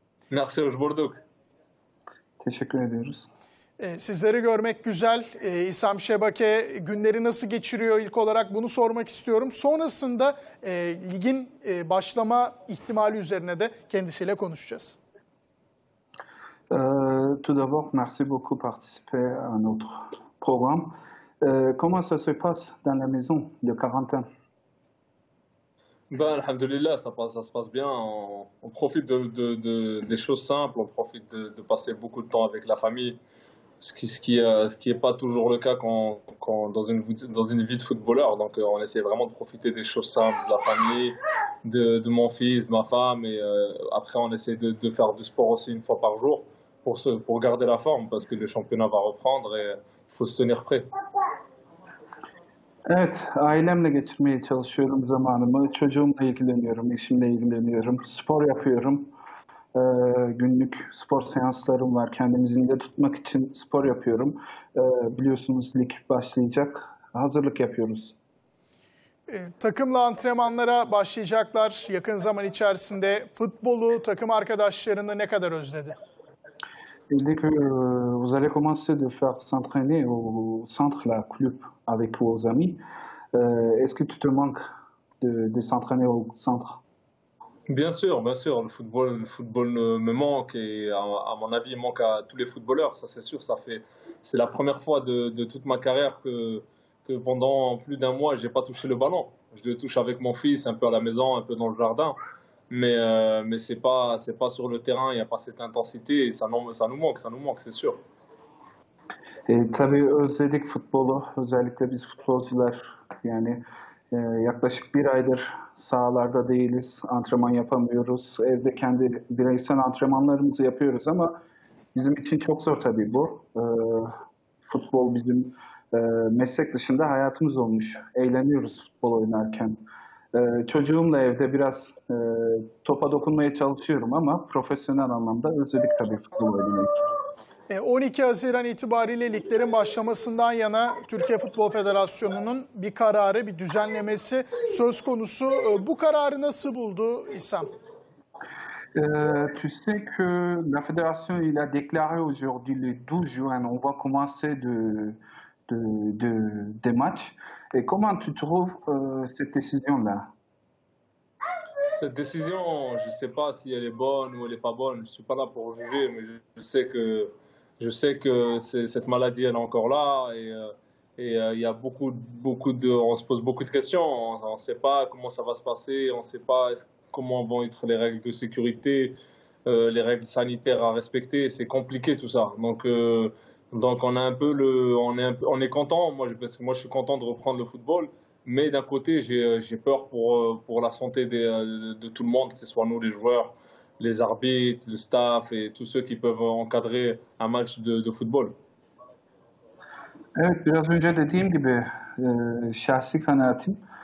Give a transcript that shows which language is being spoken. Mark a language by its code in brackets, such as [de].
[tr] Nasıl bulduk? Teşekkür ediyoruz. Sizleri görmek güzel. İsam Şebake günleri nasıl geçiriyor ilk olarak bunu sormak istiyorum. Sonrasında ligin başlama ihtimali üzerine de kendisiyle konuşacağız. [fr] Tout d'abord, merci beaucoup participer à notre programme. Comment ça se passe dans la maison de quarantaine? Ben, alhamdulillah, ça se passe bien. On profite des choses simples, on profite de passer beaucoup de temps avec la famille. Ce qui est pas toujours le cas quand dans une vie de footballeur. Donc on essaie vraiment de profiter des choses simples, de la famille, de mon fils, de ma femme, et après on essaie de faire du sport aussi une fois par jour pour garder la forme, parce que le championnat va reprendre et faut se tenir prêt. [tr] Evet, ailemle geçirmeye çalışıyorum zamanımı. Çocuğumla ilgileniyorum, eşimle ilgileniyorum, spor yapıyorum. Günlük spor seanslarım var. Kendimi zinde tutmak için spor yapıyorum. Biliyorsunuz lig başlayacak. Hazırlık yapıyoruz. Takımla antrenmanlara başlayacaklar. Yakın zaman içerisinde futbolu, takım arkadaşlarını ne kadar özledi? Dedik, [fr] vous allez commencer de faire s'entraîner au centre, la club, avec vos amis. Est-ce que tu te manques de s'entraîner au centre? Bien sûr, le football me manque et à mon avis manque à tous les footballeurs, ça c'est sûr. C'est la première fois de toute ma carrière que pendant plus d'un mois j'ai pas touché le ballon. Je le touche avec mon fils, un peu à la maison, un peu dans le jardin, mais c'est pas sur le terrain, il y a pas cette intensité et ça nous manque, c'est sûr. [tr] Et tabii özledik futbolu, özellikle biz futbolcular yani. Yaklaşık bir aydır sahalarda değiliz, antrenman yapamıyoruz. Evde kendi bireysel antrenmanlarımızı yapıyoruz ama bizim için çok zor tabii bu. Futbol bizim meslek dışında hayatımız olmuş. Eğleniyoruz futbol oynarken. Çocuğumla evde biraz topa dokunmaya çalışıyorum ama profesyonel anlamda özledik tabii futbol oynamayı. 12 Haziran itibariyle liglerin başlamasından yana Türkiye Futbol Federasyonu'nun bir kararı, bir düzenlemesi söz konusu. Bu kararı nasıl buldu İsam? [fr] Tu sais que la fédération il a déclaré aujourd'hui le 12 juin on va commencer de match. Et comment tu trouves cette décision là? Cette décision, je sais pas si elle est bonne ou elle est pas bonne, je suis pas là pour juger, mais je sais que cette maladie elle est encore là et y a beaucoup de, on se pose beaucoup de questions. On ne sait pas comment ça va se passer, on ne sait pas comment vont être les règles de sécurité, les règles sanitaires à respecter. C'est compliqué tout ça. Donc on a un peu on est content. Parce que moi je suis content de reprendre le football, mais d'un côté j'ai peur pour la santé de tout le monde, que ce soit nous les joueurs, les arbitres, le staff et tous ceux qui peuvent encadrer un match de football. [tr] Evet, biraz önce dediğim gibi şahsi kanaatim